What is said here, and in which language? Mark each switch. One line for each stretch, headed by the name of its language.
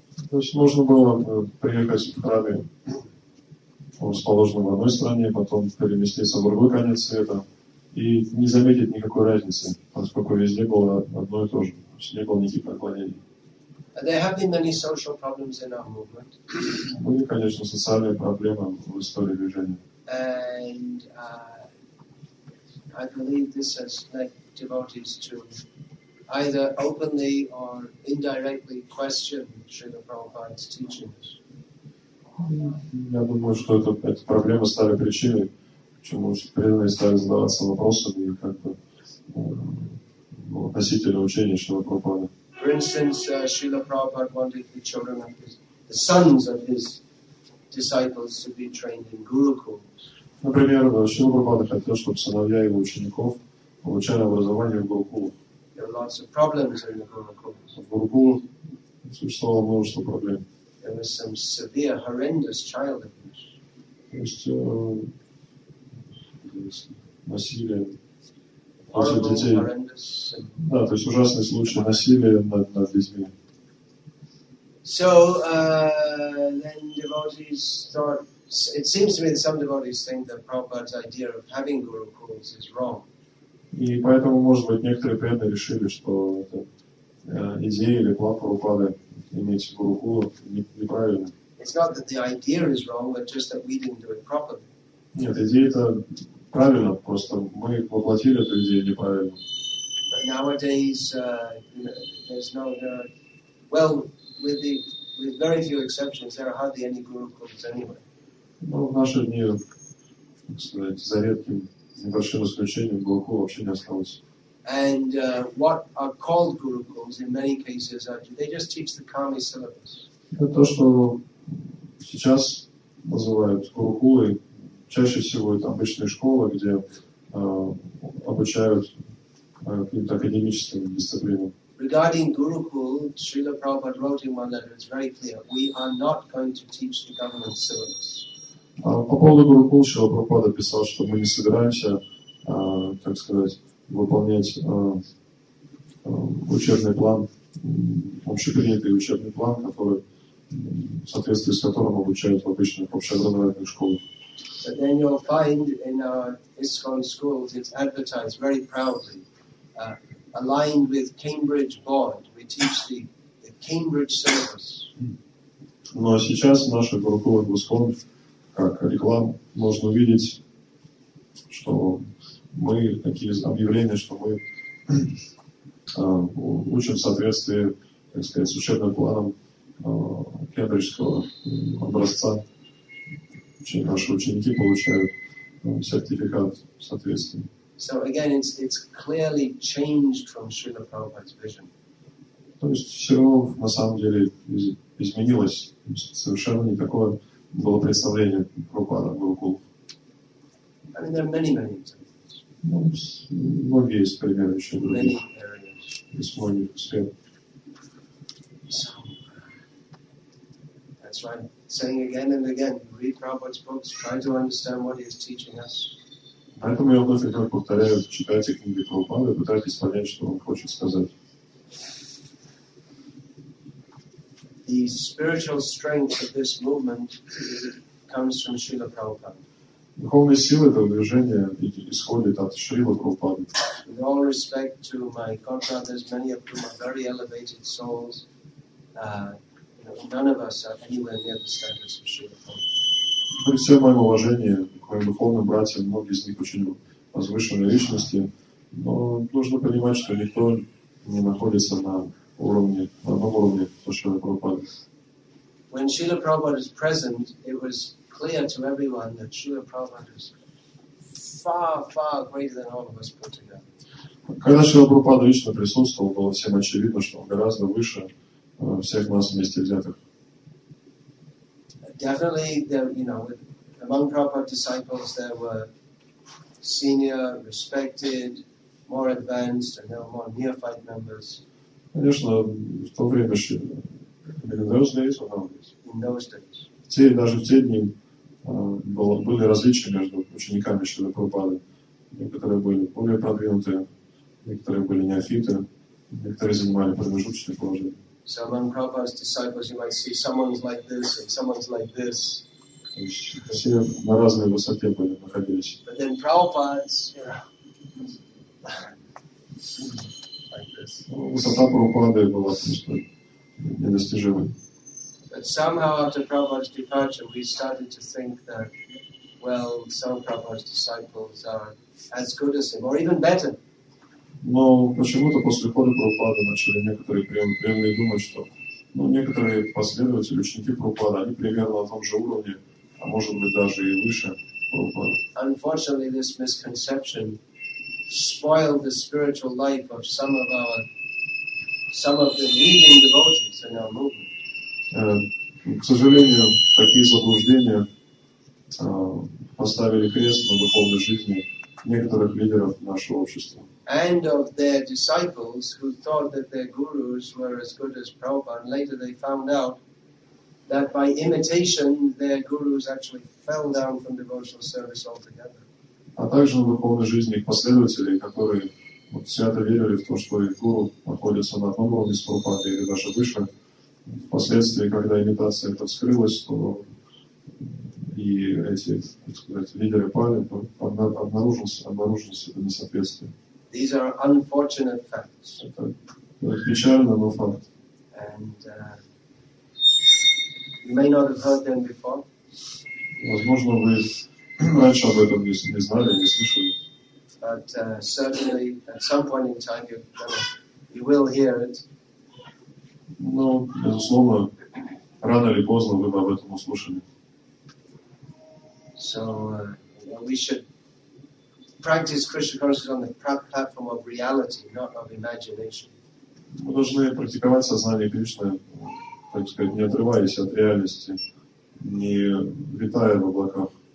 Russian: То есть можно было приехать в храме, расположенном в одной стране, потом переместиться в другой конец света, и не заметит никакой разницы, поскольку везде было одно и то же, то есть не было никаких отклонений.
English: And there have been many social problems in our movement.
Russian: Были, конечно, социальные проблемы в истории движения.
English: And I believe this has led devotees to either openly or indirectly question Srila Prabhupada's teachings.
Russian: Я думаю, что эта проблема стала причиной, почему преданные стали задаваться вопросами и как-то относительно учения Шрила Прабхупады.
English: For instance, Srila Prabhupada wanted the children of his, the sons of his disciples to be trained in Gurukul.
Russian: Например, Шрила Прабхупада хотел, чтобы сыновья его учеников получали образование в Гурукул.
English: There were lots of problems in the Gurukul.
Russian: В Гурукул существовало множество проблем.
English: There was some severe, horrendous child abuse.
Russian: Да, то есть ужасные случаи насилия над детьми.
English: So then devotees thought, it seems to me that some devotees think that Prabhupada's idea of having gurukuls is wrong.
Russian: И поэтому, может быть, некоторые преданные решили, что это идея или план Прабхупады иметь гурукул неправильно.
English: It's not that the idea is wrong, but just that we didn't do it properly.
Russian: Нет, идея-то правильно, просто мы воплотили эту идею неправильно.
English: But nowadays, there's no, well, with very few exceptions, there are hardly any gurukuls anyway.
Russian: Ну, в наши дни, так сказать, за редким небольшим исключением, гурукул вообще не осталось.
English: And what are called gurukuls in many cases, they just teach the Kami syllabus.
Russian: Это то, что сейчас называют гурукулы. Чаще всего это обычные школы, где обучают каким-то академическим дисциплинам.
English: Regarding Gurukul, Srila Prabhupada wrote in one letter, it's very clear, we are not going to teach the government syllabus.
Russian: По поводу Гурукул, Шрила Прабхупада писал, что мы не собираемся, так сказать, выполнять учебный план, общепринятый учебный план, который, в соответствии с которым обучают в обычных общеобразовательных школах.
English: But then you'll find in our ISKCON schools it's advertised very proudly, aligned with Cambridge Board. We teach the Cambridge syllabus.
Russian: Но сейчас в наших группах в ISKCON, как реклам, можно увидеть, что мы такие объявления, что мы учим в соответствии, так сказать, с учебным планом кембриджского образца. Наши ученики получают сертификат в соответствии.
English: So again, it's clearly changed from Srila Prabhupada's vision.
Russian: То есть все на самом деле изменилось. Совершенно не такое было представление Прабхупада в Гурукул.
English: I mean, there are many, many examples.
Russian: Ну, многие есть примеры еще других.
English: Many areas.
Russian: Из многих сфер.
English: So, that's right. Saying again and again, read Prabhupada's books, try to understand what he is teaching us.
Russian: Поэтому я вновь и вновь повторяю, читайте книги Прабхупады, пытайтесь понять, что он хочет сказать.
English: The spiritual strength of this movement comes from Srila Prabhupada.
Russian: Духовная сила этого движения исходит от Шрилы Прабхупады.
English: With all respect to my godbrothers, many of whom are very elevated souls, none of us are anywhere near the status of Srila Prabhupada.
Russian: При всем моем уважении к моим духовным братьям, но нужно понимать, что никто не находится на уровне, на одном уровне Шрилы Прабхупады.
English: When Srila Prabhupada is present, it was clear to everyone that Srila Prabhupada is far, far greater than all of us put together.
Russian: Когда Шрила Прабхупада лично присутствовал, было всем очевидно, что он гораздо выше всех нас вместе взятых.
English: Definitely, there, you know, among Prabhupada disciples there were senior, respected, more advanced, and there were more neophyte members.
Russian: Конечно, в то время еще религиозные есть.
English: In those days.
Russian: Даже в те дни были различия между учениками Шрилы Прабхупады. Некоторые были более продвинутые, некоторые были неофиты, некоторые занимали промежуточные положения.
English: So among Prabhupada's disciples, you might see someone's like this and someone's like this.
Russian: Все на разной высоте были находились.
English: But then Prabhupada's,
Russian: Высота Прабхупады была просто недостижимой.
English: But somehow after Prabhupada's departure, we started to think that, well, some Prabhupada's disciples are as good as him, or even better.
Russian: Но почему-то после ухода Прабхупады начали некоторые преемные думать, что некоторые последователи, ученики Прабхупады, они примерно на том же уровне, а может быть даже и выше Прабхупады.
English: Unfortunately, this misconception spoiled the spiritual life of some of the leading devotees in our movement.
Russian: К сожалению, такие заблуждения поставили крест на духовной жизни некоторых лидеров нашего общества.
English: And of their disciples who thought that their gurus were as good as Prabhupada, later they found out that by imitation their gurus actually fell down from devotional service altogether.
Russian: А также на духовной жизни последователей, которые свято верили в то, что их гуру находится на одном уровне с Прабхупадой или даже выше, впоследствии, когда имитация эта вскрылась, то и эти, так сказать, лидеры пали, обнаружилось это несоответствие.
English: These are unfortunate facts.
Russian: Это печально, но факт.
English: And you may not have heard them before.
Russian: Возможно, вы раньше об этом не знали, не слышали.
English: But certainly, at some point in time, you will hear it.
Russian: Но, безусловно, рано или поздно вы бы об этом услышали.
English: So, we should practice Krishna consciousness on the platform of reality, not of imagination.
Russian: Мы должны практиковать сознание Кришны, так сказать, не отрываясь от реальности, не витая в облаках.